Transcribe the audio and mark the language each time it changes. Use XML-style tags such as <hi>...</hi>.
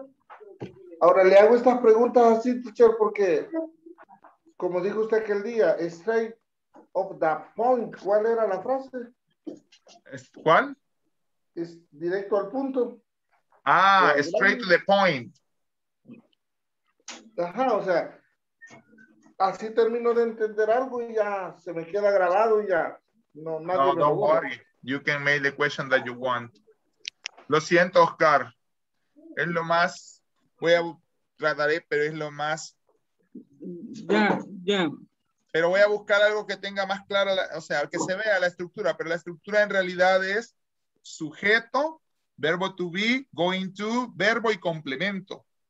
<es>Ok. Ahora le hago estas preguntas así, teacher, porque, como dijo usted aquel día,</es> <en>straight off the point,</en> <es>¿cuál era la frase? ¿Cuál? Es directo al punto.</es> <en>Ah, straight to the point.</en> <es>Ajá, o sea, así termino de entender algo y ya se me queda grabado y ya. No, nadie</es> <en>no, don't worry. You can make the question that you want.</en> <es>Lo siento, Oscar. Es lo más, trataré, pero es lo más. Ya. Pero voy a buscar algo que tenga más claro, o sea, que se vea la estructura. Pero la estructura en realidad es sujeto, verbo to be, going to, verbo y complemento.</es>